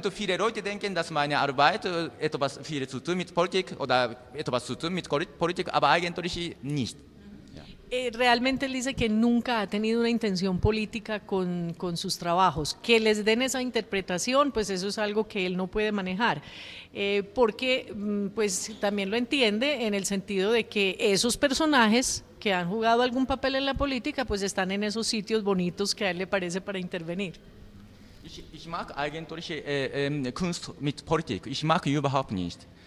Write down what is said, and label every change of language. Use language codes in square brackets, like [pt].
[de] Und viele Leute denken, dass meine Arbeit etwas viel zu tun mit Politik oder etwas zu tun mit Politik, aber eigentlich nicht. [es] Realmente él dice que nunca ha tenido una intención política con sus trabajos. Que les den esa interpretación, pues eso es algo que él no puede manejar. Porque, pues también lo entiende en el sentido de que esos personajes que han jugado algún papel en la política, pues están en esos sitios bonitos que a él le parece para intervenir. [de] Ich mag eigentlich Kunst mit Politik. Ich mag überhaupt nicht.